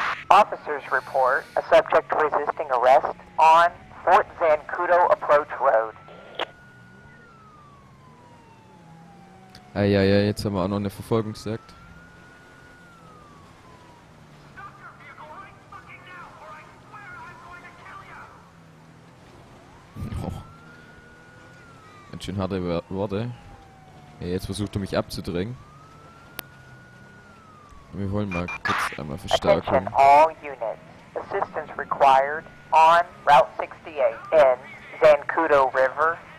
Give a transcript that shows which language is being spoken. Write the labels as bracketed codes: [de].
[en] Officers report a subject resisting arrest on Fort Zancudo Approach Road. [de] Eieiei, jetzt haben wir auch noch eine Verfolgungsjagd. Oh. Ganz schön harte Worte. Ja, jetzt versucht er mich abzudrängen. Wir wollen mal kurz einmal verstärken. [en] Attention all units. Assistance required on Route 68 in Zancudo River.